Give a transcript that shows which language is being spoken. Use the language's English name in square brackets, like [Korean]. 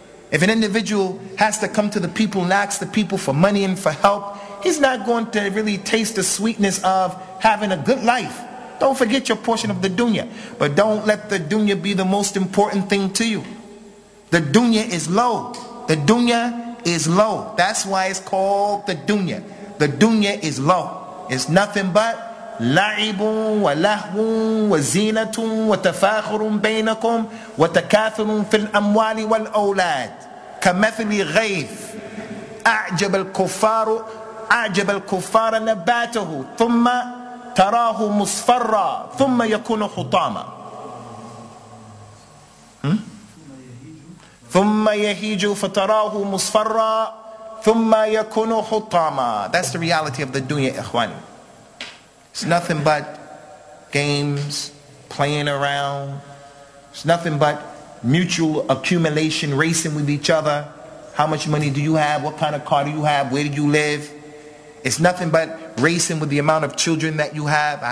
[English] If an individual has to come to the people and ask the people for money and for help, he's not going to really taste the sweetness of having a good life. Don't forget your portion of the dunya. But don't let the dunya be the most important thing to you. The dunya is low. The dunya is low. That's why it's called the dunya. The dunya is low. It's nothing but [Arabic] لَعِبٌ وَلَهْوٌ وَزِينَةٌ وَتَفَاخُرٌ بَيْنَكُمْ وَتَكَاثُرٌ فِي الْأَمْوَالِ وَالْأَوْلَادِ كَمَثْلِ غَيْثٍ أَعْجَبَ الْكُفَّارُ أعجب الكفار نباته ثم تراه مصفرا ثم يكون حطاما ثم يهيج فتراه مصفرا ثم يكون حطاما. [English] That's the reality of the dunya, ikhwani. It's nothing but games, playing around. It's nothing but mutual accumulation, racing with each other. How much money do you have? What kind of car do you have? Where do you live? It's nothing but racing with the amount of children that you have.